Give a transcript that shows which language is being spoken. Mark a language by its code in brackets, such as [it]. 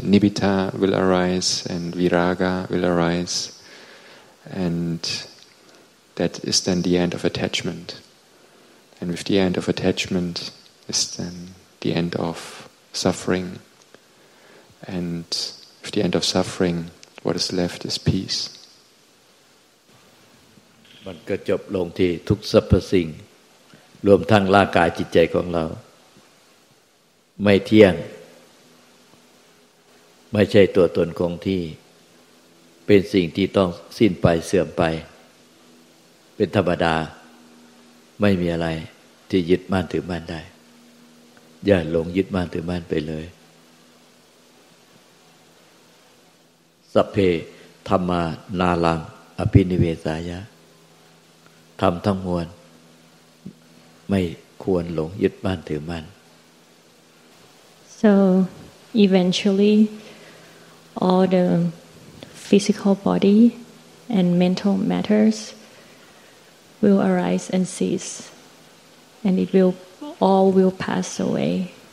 [en] Nibbita will arise and viraga will arise, and that is then the end of attachment. And with the end of attachment is then the end of suffering. And with the end of suffering, what is left is peace. [th] มันก็จบลงที่ทุกสรรพสิ่งรวมทั้งร่างกายจิตใจของเราไม่เที่ยงไม่ใช่ตัวตนคงที่เป็นสิ่งที่ต้องสิ้นไปเสื่อมไปเป็นธรรมดาไม่มีอะไรที่ยึดมั่นถือมั่นได้อย่าหลงยึดมั่นถือมั่นไปเลย [pi] สัพเพธัมมานาลังอภินิเวสายะ [th] ทำทั้งมวลไม่ควรหลงยึดบ้านถือมัน [en] So eventually all the physical body and mental matters will arise and cease, and it will all will pass away.